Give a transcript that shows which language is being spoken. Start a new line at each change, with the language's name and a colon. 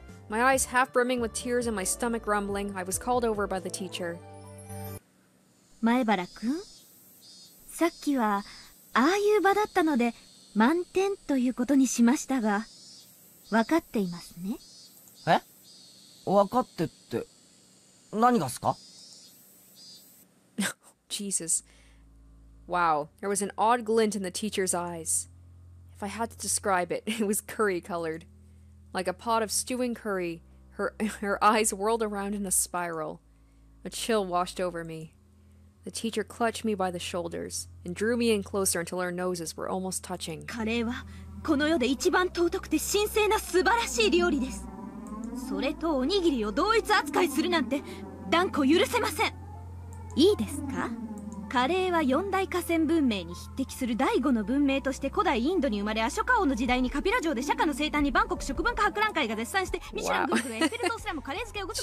English: My eyes half brimming with tears and my stomach rumbling, I was called over by the teacher.
Japanese: 前原君、さっきはああいう場だったので満点ということにしましたが、分かっていますね。え？分かってって何がすか？
English: Jesus. Wow, there was an odd glint in the teacher's eyes. If I had to describe it, it was curry colored. Like a pot of stewing curry, her eyes whirled around in a spiral. A chill washed over me. The teacher clutched me by the shoulders and drew me in closer until our noses were almost touching.
Japanese: カレーはこの世で一番尊くて神聖な素晴らしい料理です。それとおにぎりを同一扱いするなんて断固許せません。いいですか？カレーは四大河川文明に匹敵する第五の文明として古代インドに生まれ、アショカ王の時代にカピラ城で釈迦の生誕に万国食文化博覧会が絶賛して、ミシュラングルクエッフェル塔すらもカレー漬けをごとく